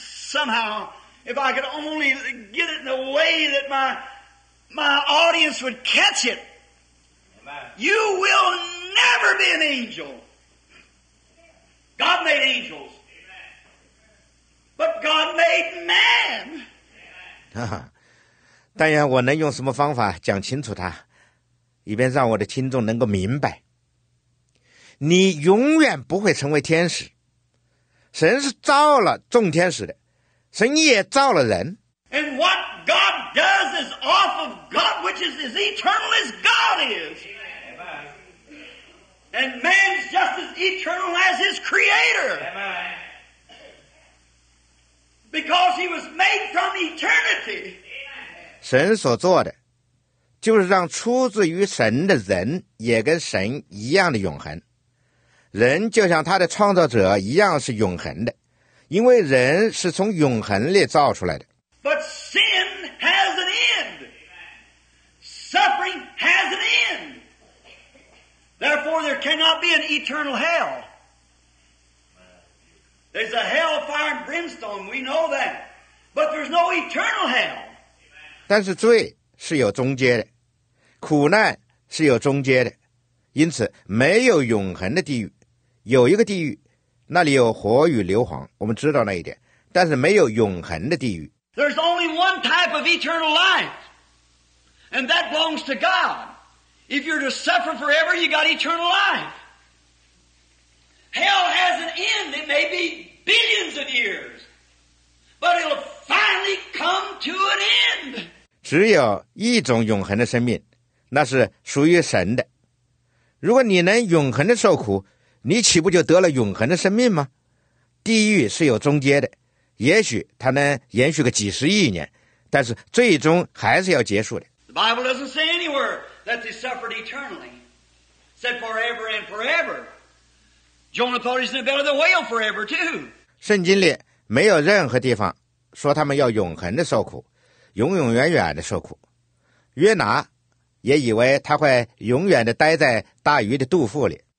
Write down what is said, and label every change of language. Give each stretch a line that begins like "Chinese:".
English: Somehow, if I could only get it in a way that my audience would catch it, you will never be an angel. God made angels, but God made man.
Chinese: 但愿我能用什么方法讲清楚它，以便让我的听众能够明白，你永远不会成为天使，神是造了众天使的，神也造了人。
English: And what God does is off of God, which is as eternal as God is. And man's just as eternal as his creator. Because he was made from eternity.
Chinese: 神所做的就是让出自于神的人也跟神一样的永恒。人就像他的创造者一样是永恒的，因为人是从永恒里造出来的。
English: But sin has an end. Suffering has an end. Therefore, there cannot be an eternal hell. There's a hell of fire and brimstone, we know that. But there's no eternal hell.
Chinese: 但是罪是有终结的，苦难是有终结的，因此没有永恒的地狱。有一个地狱，那里有火与硫磺，我们知道那一点，但是没有永恒的地狱。
English: There's only one type of eternal life, and that belongs to God. If you're to suffer forever, you got eternal life. Hell has an end. It may be billions of years, but it'll finally come to an end.
Chinese: 只有一种永恒的生命，那是属于神的。如果你能永恒的受苦，你岂不就得了永恒的生命吗？地狱是有终结的。也许它能延续个几十亿年，但是最终还是要结束的。
English: The Bible doesn't say anywhere that they suffered eternally. It said forever and forever. Jonah thought he's in the belly of the whale forever too.
Chinese: 圣经里没有任何地方说他们要永恒的受苦，永永远远的受苦。约拿也以为他会永远的待在大鱼的肚腹里。